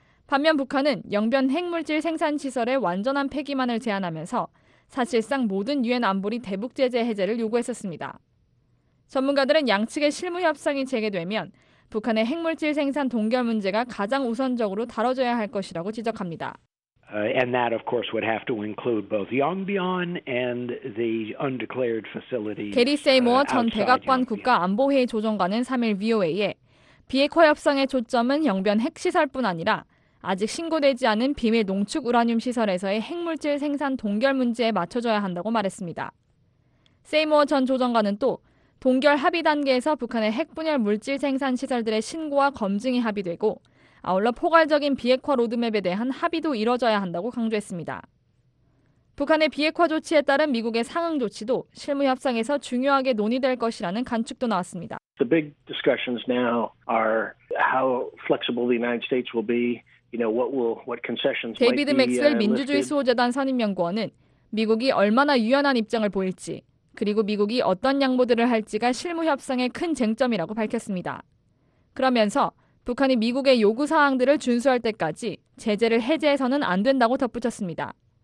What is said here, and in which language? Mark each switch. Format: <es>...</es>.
<ko>반면 북한은 영변 핵물질 생산 시설의 완전한 폐기만을 제안하면서 사실상 모든 유엔 안보리 대북 제재 해제를 요구했었습니다. 전문가들은 양측의 실무 협상이 재개되면 북한의 핵물질 생산 동결 문제가 가장 우선적으로 다뤄져야 할 것이라고 지적합니다.</ko> <en>And that, of course, would have to include both Yongbyon and the undeclared facilities.</en> <ko>게리 세이모어 전 백악관 국가안보회의 조정관은 3일 VOA에 비핵화 협상의 초점은 영변 핵 시설뿐 아니라 아직 신고되지 않은 비밀 농축 우라늄 시설에서의 핵물질 생산 동결 문제에 맞춰져야 한다고 말했습니다. 세이모어 전 조정관은 또 동결 합의 단계에서 북한의 핵분열 물질 생산 시설들의 신고와 검증이 합의되고 아울러 포괄적인 비핵화 로드맵에 대한 합의도 이뤄져야 한다고 강조했습니다. 북한의 비핵화 조치에 따른 미국의 상응 조치도 실무 협상에서 중요하게 논의될 것이라는 관측도 나왔습니다.</ko> <en>The big discussions now are how flexible the United States will be. You know, what concessions might be.</en> <ko>데이비드 맥스웰 민주주의 수호재단 선임연구원은 미국이 얼마나 유연한 입장을 보일지 그리고 미국이 어떤 양보들을 할지가 실무 협상의 큰 쟁점이라고 밝혔습니다. 그러면서 북한이 미국의 요구 사항들을 준수할 때까지 제재를 해제해서는 안 된다고 덧붙였습니다.</ko>